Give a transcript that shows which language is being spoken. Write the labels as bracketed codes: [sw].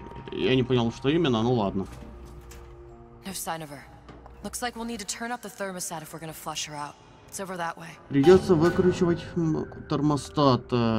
[ru] Я не понял, что именно, ну ладно. [en] No sign of her. Looks like we'll need to turn up the thermostat if we're gonna flush her out. It's over that way. [ru] Придется выкручивать термостат.